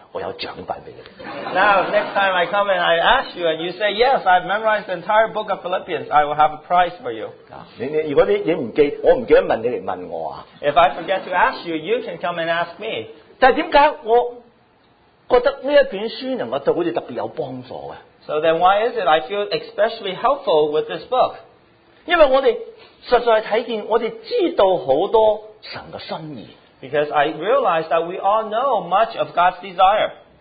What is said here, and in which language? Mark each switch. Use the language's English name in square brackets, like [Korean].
[English] Now, next time I come and I ask you and you say, yes, I've memorized the entire book of Philippians, I will have a prize for you. If I forget to ask you, you can come and ask me. [Chinese] 但为什么我觉得这一本书能够对我们特别有帮助呢? [English] So then why is it I feel especially helpful with this book? Because I realize that we all know much of God's desire.